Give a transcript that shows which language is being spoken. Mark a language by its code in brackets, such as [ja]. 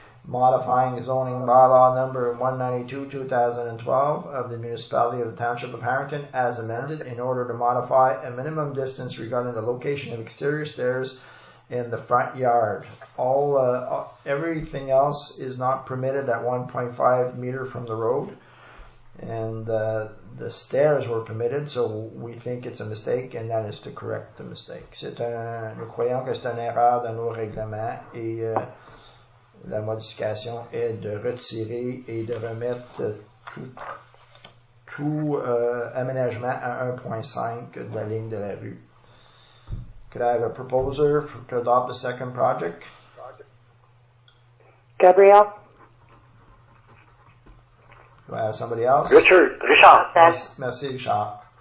[en] modifying zoning bylaw number 192/2012 of the municipality of the township of Harrington as amended in order to modify a minimum distance regarding the location of exterior stairs in the front yard. All everything else is not permitted at 1.5 meter from the road, and the stairs were permitted, so we think it's a mistake, and that is to correct the mistake. [fr] C'est un, nous croyons que c'est une erreur dans nos règlements, et la modification est de retirer et de remettre tout aménagement à 1.5 de la ligne de la rue. [en] Could I have a proposer to adopt the second project? Gabriel. Do I have somebody else? Richard. [fr] Merci, Richard.